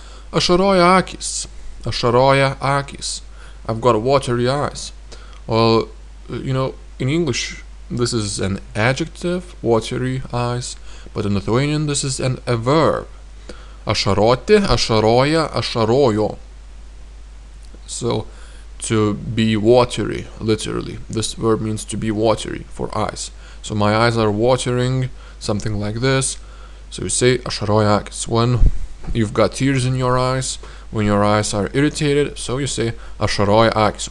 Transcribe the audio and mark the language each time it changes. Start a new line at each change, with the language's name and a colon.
Lithuanian: Ašaroja akys. Ašaroja akys.
English: I've got watery eyes. Well, you know, in English, this is an adjective, watery eyes, but in Lithuanian, this is a verb.
Lithuanian: Ašaroti, ašaroja, ašarojo.
English: So, to be watery, literally. This verb means to be watery, for eyes. So, my eyes are watering, something like this. So, you say,
Lithuanian: ašaroja akys.
English: When you've got tears in your eyes, when your eyes are irritated, so you say, ašaroja akys.